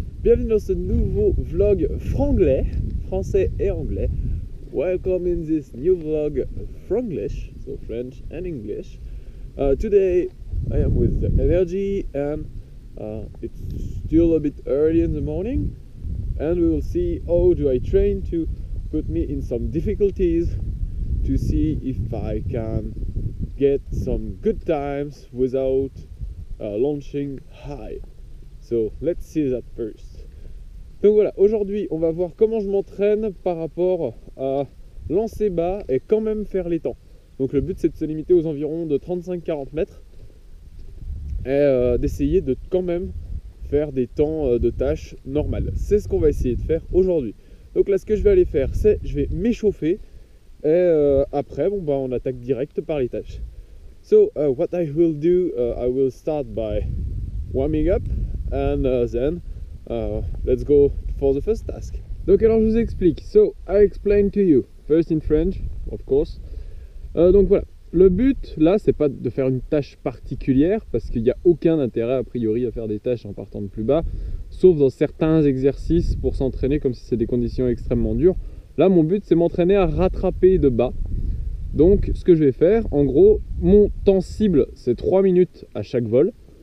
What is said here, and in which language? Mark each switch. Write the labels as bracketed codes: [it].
[fr] Bienvenue dans ce nouveau vlog franglais, français et anglais. [en] Welcome in this new vlog franglish, so French and English. Today, I am with the energy and it's still a bit early in the morning. And we will see how do I train to put me in some difficulties to see if I can get some good times without launching high. So let's see that first. [fr] Donc voilà, aujourd'hui on va voir comment je m'entraîne par rapport à lancer bas et quand même faire les temps. Donc le but c'est de se limiter aux environs de 35-40 mètres et d'essayer de quand même faire des temps de tâches normales. C'est ce qu'on va essayer de faire aujourd'hui. Donc là ce que je vais aller faire c'est je vais m'échauffer et après bon bah on attaque direct par les tâches. [en] So what I will do, I will start by warming up and then let's go for the first task. [fr] Donc alors je vous explique. [en] So I explain to you first in French, of course. [fr] Donc voilà, le but là c'est pas de faire une tâche particulière parce qu'il n'y a aucun intérêt a priori à faire des tâches en partant de plus bas, sauf dans certains exercices pour s'entraîner comme si c'est des conditions extrêmement dures. Là mon but c'est m'entraîner à rattraper de bas. Donc ce que je vais faire, en gros, mon temps cible c'est 3 minutes à chaque vol.